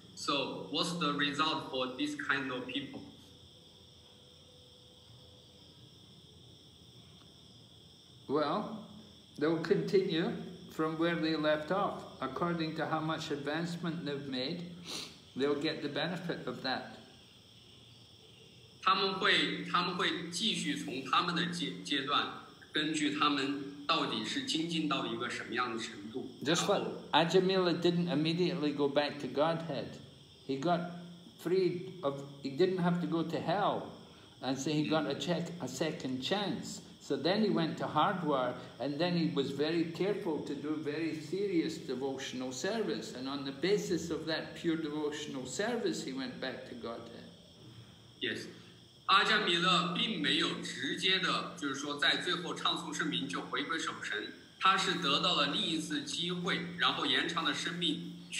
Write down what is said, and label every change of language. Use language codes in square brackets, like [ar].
[en] So, what's the result for this kind of people? Well, they'll continue from where they left off. According to how much advancement they've made, they'll get the benefit of that. [zh] 他们会继续从他们的阶段，根据他们到底是精进到一个什么样的程度。 [en] Just what? Ajāmila didn't immediately go back to Godhead. He got freed of, he didn't have to go to hell, and so he got a second chance. So then he went to Hardwar, and then he was very careful to do very serious devotional service, and on the basis of that pure devotional service, he went back to Godhead. Yes. [zh] Ajāmila 并没有直接的，就是说在最后唱诵圣名就回归守身，他是得到了另一次机会，然后延长了生命。